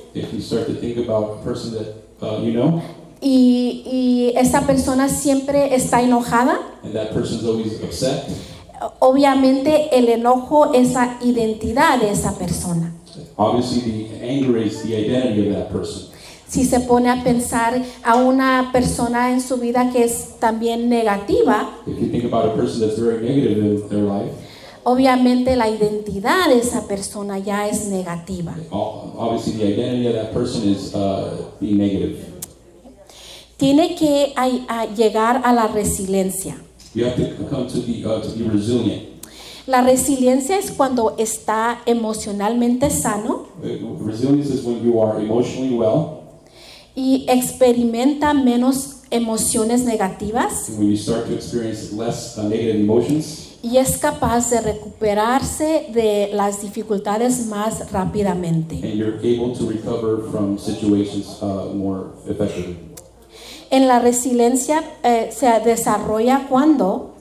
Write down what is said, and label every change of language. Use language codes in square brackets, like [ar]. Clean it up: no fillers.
[en] if you start to think about a person that you know, [es] y esa persona siempre está enojada, [en] and that person's always upset, [es] obviamente el enojo es la identidad de esa persona. [en] Obviously, the anger is the identity of that person. [es] Si se pone a pensar a una persona en su vida que es también negativa, [en] if you think about a person that's very negative in their life, [es] obviamente la identidad de esa persona ya es negativa. [en] Obviously, the identity of that person is being negative. [es] Tiene que a llegar a la resiliencia. [en] You have to come to be resilient. [es] La resiliencia es cuando está emocionalmente sano. [en] Resilience is when you are emotionally well. [es] Y experimenta menos emociones negativas. [en] When you start to experience less negative emotions. [es] Y es capaz de recuperarse de las dificultades más rápidamente. [en] And you're able to recover from situations more effectively. [es] En la resiliencia se desarrolla cuando